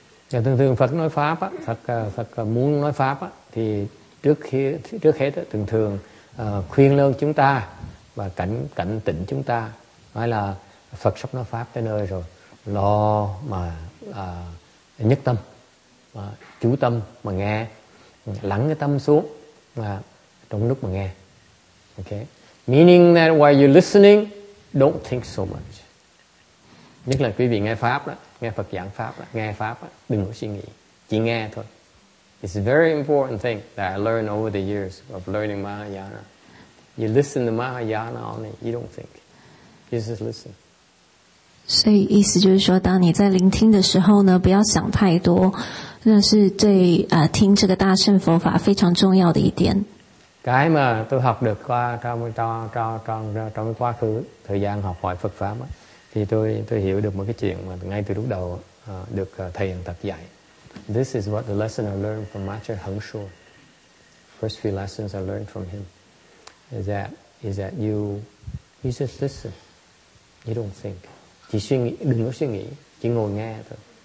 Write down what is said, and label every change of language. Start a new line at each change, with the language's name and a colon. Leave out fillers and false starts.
Chinese: 通常佛说法佛
Vietnamese: muốn nói pháp thì trước hết thường thường khuyên lên chúng ta và cảnh tỉnh chúng ta nói là Phật sắp nói pháp tới nơi rồi lo mà nhất tâm và chú tâm mà nghe lắng cái tâm xuống và trong lúc mà nghe. Okay.
English: Meaning that while you're listening, don't think so much.
Vietnamese: Nhất là quý vị nghe pháp đó, nghe Phật giảng pháp đó, nghe pháp đó, đừng có suy nghĩ, chỉ nghe thôi.
English: It's a very important thing that I learned over the years of learning Mahayana. You listen to Mahayana only, you don't think. You just listen.
Chinese: 所以意思就是说，当你在聆听的时候呢，不要想太多。那是对听这个大乘佛法非常重要的一点。
Vietnamese: cái mà tôi học được qua trong quá khứ thời gian học hỏi Phật pháp á, thì tôi hiểu được một cái chuyện mà ngay từ lúc đầu được thầy Hằng Thật dạy.
English: This is what the lesson I learned from Master Hằng Sô. First few lessons I learned from him is that you just listen, you don't think,
Vietnamese: 只suy nghĩ, đừng có suy nghĩ, chỉ ngồi nghe thôi.